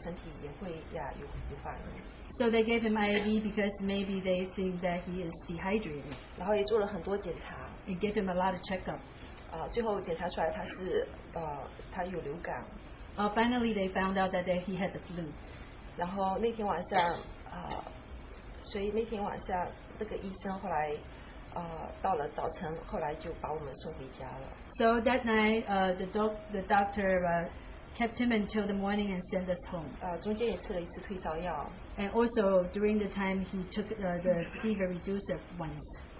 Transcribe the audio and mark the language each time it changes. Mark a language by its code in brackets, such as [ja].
[zh] 到了医院以后，那后来医院就给他挂了一些点滴，因为他可能，他们也觉得他可能，缺水，也会引起，有的时候缺水，身体也会有反应。 [en] So they gave him IV because maybe they think that he is dehydrated. [zh] 然后也做了很多检查。 [en] And gave him a lot of checkup. [zh] 最后检查出来他是，他有流感。 [en] Finally, they found out that he had the flu. [zh] 然后那天晚上，所以那天晚上那个医生后来，到了早晨，后来就把我们送回家了。 [en] So that night, the doctor kept him until the morning and sent us home. [zh] 中间也吃了一次退烧药。 [en] And also during the time he took the fever reducer once.